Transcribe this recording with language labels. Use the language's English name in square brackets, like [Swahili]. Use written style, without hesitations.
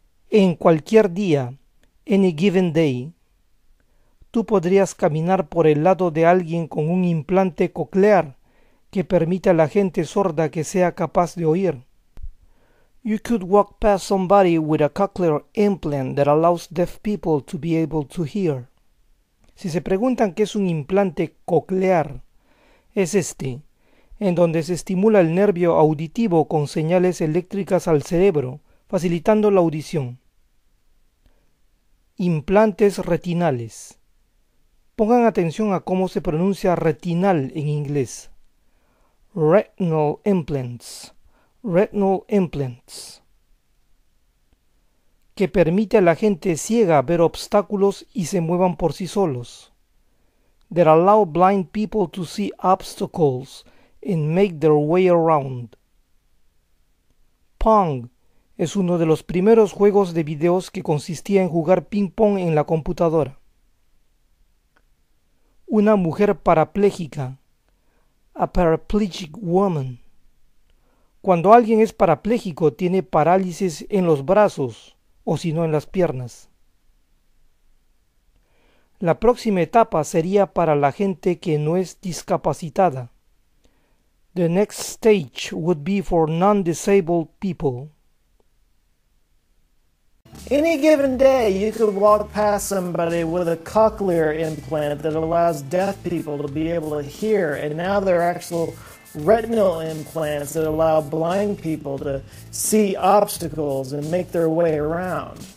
[Spanish] En cualquier día, [English] any given day, [Spanish] tú podrías caminar por el lado de alguien con un implante coclear que permite a la gente sorda que sea capaz de oír. [English] You could walk past somebody with a cochlear implant that allows deaf people to be able to hear. [Spanish] Si se preguntan qué es un implante coclear, es este, en donde se estimula el nervio auditivo con señales eléctricas al cerebro, facilitando la audición. Implantes retinales. Pongan atención a cómo se pronuncia retinal en inglés. [English] Retinal implants. Retinal implants. [Spanish] Que permite a la gente ciega ver obstáculos y se muevan por sí solos. [English] That allow blind people to see obstacles and make their way around. Pong. [Spanish] Es uno de los primeros juegos de videos que consistía en jugar ping-pong en la computadora. Una mujer parapléjica. [English] A paraplegic woman. [Spanish] Cuando alguien es parapléjico, tiene parálisis en los brazos, o si no en las piernas. La próxima etapa sería para la gente que no es discapacitada. [English] The next stage would be for non-disabled people. Any given day, you could walk past somebody with a cochlear implant that allows deaf people to be able to hear, and now there are actual retinal implants that allow blind people to see obstacles and make their way around.